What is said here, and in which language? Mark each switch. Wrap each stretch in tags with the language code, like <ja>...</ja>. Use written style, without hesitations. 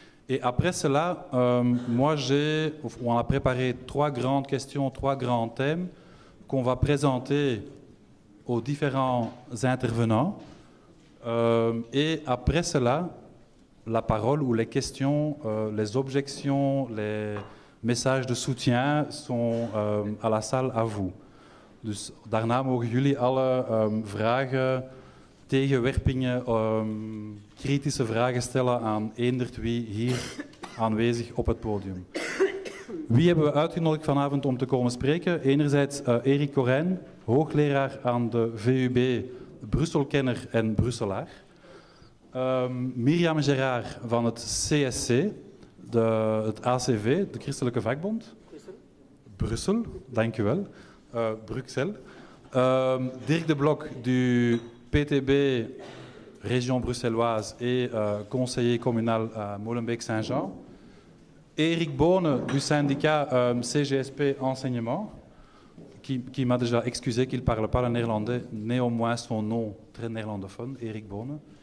<fr>Et après cela, on a préparé trois grandes questions, trois grands thèmes qu'on va présenter aux différents intervenants. Et après cela, la parole ou les questions, les objections, les messages de soutien sont à la salle à vous.</fr> <nl>Dus daarna mogen jullie alle vragen, tegenwerpingen, kritische vragen stellen aan eender wie hier aanwezig op het podium. Wie hebben we uitgenodigd vanavond om te komen spreken? Enerzijds Erik Corijn, hoogleraar aan de VUB, Brusselkenner en Brusselaar. Myriam Gerard van het CSC, het ACV, de Christelijke Vakbond. Brussel, dank u wel. Bruxelles.</nl> <fr>Dirk de Blok, du PTB, région bruxelloise et conseiller communal à Molenbeek-Saint-Jean. Eric Bonne, du syndicat CGSP Enseignement, qui m'a déjà excusé qu'il ne parle pas le néerlandais, néanmoins son nom très néerlandophone, Eric Bonne.</fr>